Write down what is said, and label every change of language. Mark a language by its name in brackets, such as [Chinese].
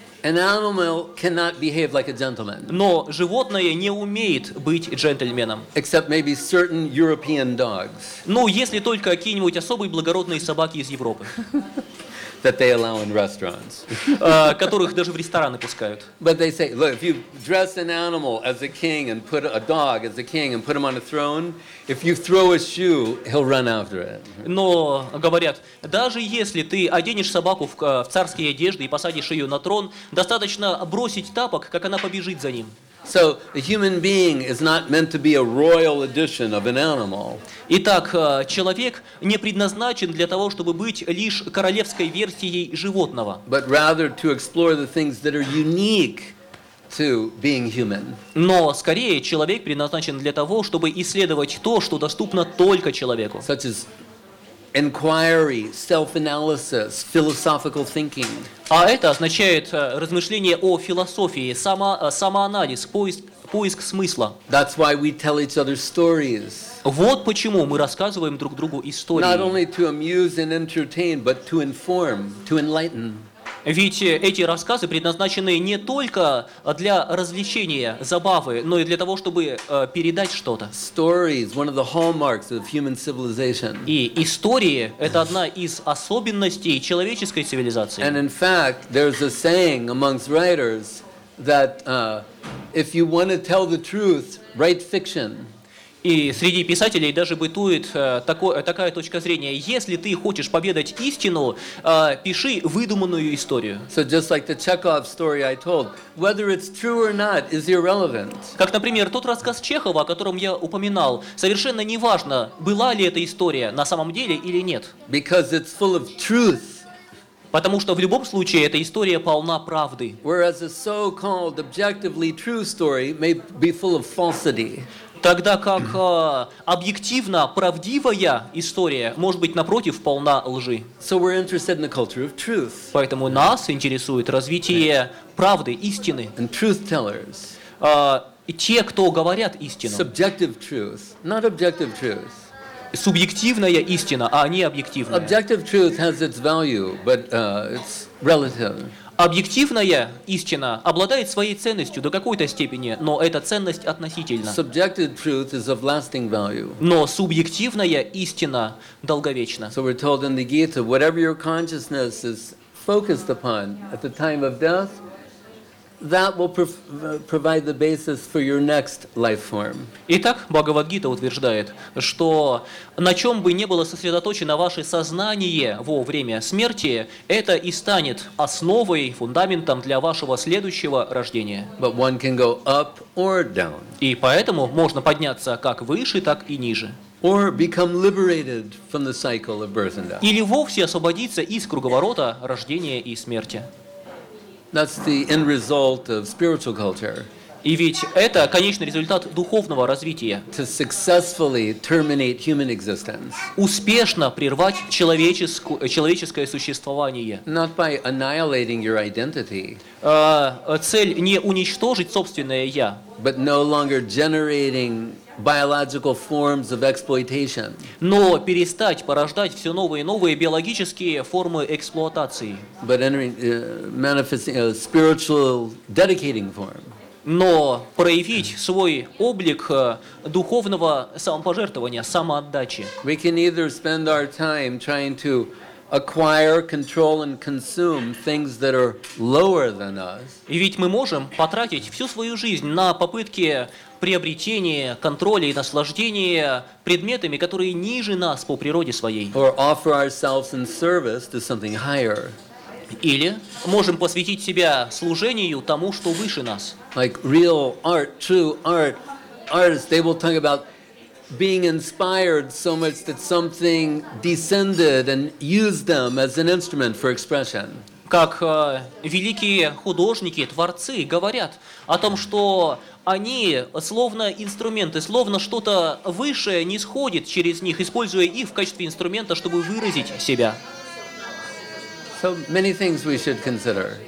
[English] An animal cannot behave like a gentleman. [Russian] Но животное не умеет быть джентльменом. [English] Except maybe certain European dogs. [Russian] Ну, если только какие-нибудь особые благородные собаки из Европы. [English] That they allow in restaurants. [Russian] Которых даже в рестораны пускают. [English] But they say, look, if you dress an animal as a king and put a dog as a king and put him on a throne, if you throw a shoe, he'll run after it. [Russian] Но говорят, даже если ты оденешь собаку в царские одежды и посадишь ее на трон, достаточно бросить тапок, как она побежит за ним. [English] So a human being is not meant to be a royal edition of an animal. [Russian] Итак, человек не предназначен для того, чтобы быть лишь королевской версией животного. [English] But rather to explore the things that are unique to being human. [Russian] Но скорее человек предназначен для того, чтобы исследовать то, что доступно только человеку. [English] Such as inquiry, self-analysis, philosophical thinking. [Russian] А это означает размышление о философии, самоанализ, поиск смысла. [English] That's why we tell each other stories. [Russian] Вот почему мы рассказываем друг другу истории. [English] Not only to amuse and entertain, but to inform, to enlighten. [Russian] Ведь эти рассказы предназначены не только для развлечения, забавы, но и для того, чтобы передать что-то. [English] Stories, one of the hallmarks of human civilization. [Russian] И истории – это одна из особенностей человеческой цивилизации. [English] And in fact, there's a saying amongst writers that if you want to tell the truth, write fiction. [Russian] И среди писателей даже бытует такая точка зрения. Если ты хочешь поведать истину, пиши выдуманную историю. [English] So just like the Chekhov story I told, whether it's true or not is irrelevant. [Russian] Как, например, тот рассказ Чехова, о котором я упоминал, совершенно не важно, была ли эта история на самом деле или нет. [English] Because it's full of truth. [Russian] Потому что в любом случае эта история полна правды. [English] Whereas a so-called objectively true story may be full of falsity. [Russian] Тогда как объективно правдивая история может быть напротив полна лжи. [English] So we're interested in the culture of truth. [Russian] Поэтому нас интересует развитие правды, истины. [English] And truth tellers. [Russian] Те, кто говорят истину. [English] Subjective truth, not objective truth. [Russian] субъективная истина, а не объективная. [English] Objective truth has its value, but it's relative. [Russian] Объективная истина обладает своей ценностью до какой-то степени, но эта ценность относительна. [English] Subjective truth is of lasting value. [Russian] Но субъективная истина долговечна. [English] So we're told in the Gita, whatever your consciousness is focused upon at the time of death, that will provide the basis for your next life form. [Russian] Итак, Бхагавад-гита утверждает, что на чем бы ни было сосредоточено ваше сознание во время смерти, это и станет основой, фундаментом для вашего следующего рождения. [English] But one can go up or down. [Russian] И поэтому можно подняться как выше, так и ниже. [English] Or become liberated from the cycle of birth and death. [Russian] Или вовсе освободиться из круговорота рождения и смерти. [English] That's the end result of spiritual culture. [Russian] И ведь это конечный результат духовного развития. [English] To successfully terminate human existence. [Russian] Успешно прервать человеческое существование. [English] Not by annihilating your identity. [Russian] Цель не уничтожить собственное я. [English] But no longer generating biological forms of exploitation. [Russian] Но перестать порождать все новые и новые биологические формы эксплуатации. [English] But entering, manifesting a spiritual dedicating form. [Russian] Но проявить свой облик духовного самопожертвования, самоотдачи. [English] We can either spend our time trying to acquire, control, and consume things that are lower than us. [Russian] И ведь мы можем потратить всю свою жизнь на попытки приобретения, контроля и наслаждения предметами, которые ниже нас по природе своей. [English] Or offer ourselves in service to something higher. [Russian] Или можем посвятить себя служению тому, что выше нас. [English] Like real art, true art, artists, they will talk about being inspired so much that something descended and used them as an instrument for expression. [Russian] Как великие художники, творцы говорят о том, что они словно инструменты, словно что-то высшее нисходит через них, используя их в качестве инструмента, чтобы выразить себя. [English] So many things we should consider.